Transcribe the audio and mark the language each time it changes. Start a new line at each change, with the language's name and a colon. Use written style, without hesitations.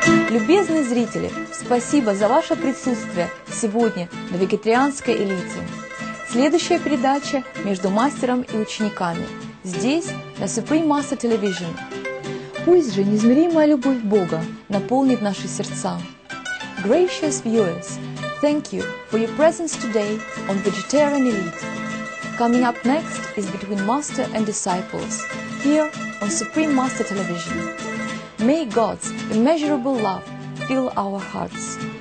Russian: Любезные зрители, спасибо за ваше присутствие сегодня на вегетарианской элите. Следующая передача между мастером и учениками. Здесь на Supreme Master Television. Пусть же неизмеримая любовь Бога наполнит наши сердца.
English: Gracious viewers, thank you for your presence today on Vegetarian Elite. Coming up next is between Master and Disciples, here on Supreme Master Television. May God's immeasurable love fill our hearts.